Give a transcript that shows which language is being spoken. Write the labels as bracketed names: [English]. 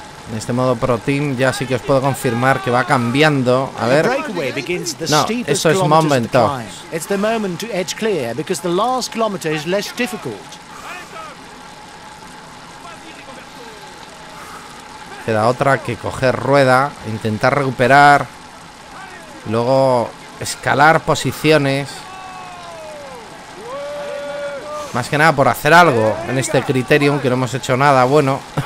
[Spanish] En este modo Pro Team ya sí que os puedo confirmar que va cambiando. A ver. No, eso es momento. [English] It's the moment to edge clear because the last kilometer is less difficult. [Spanish] Queda otra que coger rueda, intentar recuperar, luego escalar posiciones. Más que nada por hacer algo en este Criterium, que no hemos hecho nada bueno.